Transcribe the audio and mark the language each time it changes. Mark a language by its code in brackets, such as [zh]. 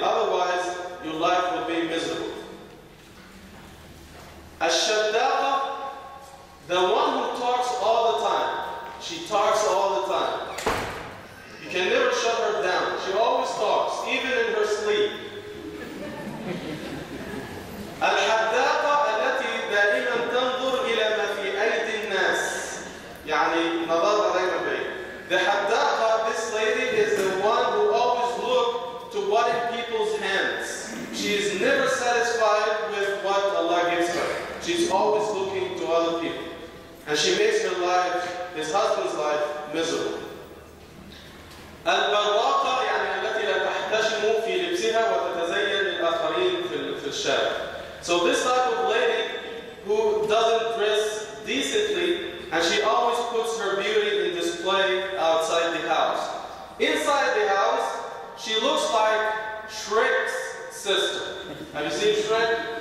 [en] Otherwise, your life will be miserable. Al-Shaddaqa, the one who talks all the time. She talks all the time. You can never shut her down. She always talks, even in her sleep. [ar] الحداقة التي دائما تنظر إلى ما في أيدي الناس. يعني نظر عليها بي. [en] The حداقة, this lady, is the one who always look to what in people's hands. She is never satisfied with what Allah gives her. She's always looking to other people. And she makes her life, his husband's life, miserable. [ar] البراقة يعني التي لا تحتشم في لبسها وتتزين للآخرين في الشارع. [en] So this type of lady who doesn't dress decently and she always puts her beauty in display outside the house. Inside the house, she looks like Shrek's sister. Have you seen Shrek?